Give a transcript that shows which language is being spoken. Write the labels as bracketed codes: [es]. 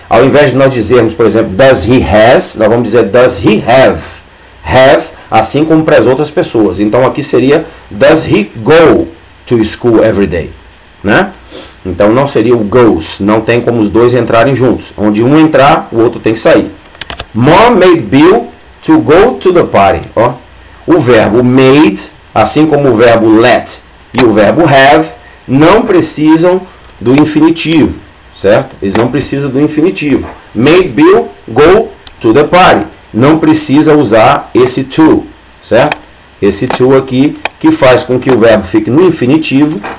[pt] Ao invés de nós dizermos, por exemplo, [en] does he has, [pt] nós vamos dizer [en] does he have. [pt] Have, assim como para as outras pessoas. Então, aqui seria, [en] does he go to school every day? [pt] Né? Então não seria o goes. Não tem como os dois entrarem juntos. Onde um entrar, o outro tem que sair. [en] Mom made Bill to go to the party. [pt] Ó. O verbo made, assim como o verbo let e o verbo have, não precisam do infinitivo, certo? Eles não precisam do infinitivo. [en] Made Bill go to the party. [pt] Não precisa usar esse to, certo? Esse to aqui que faz com que o verbo fique no infinitivo.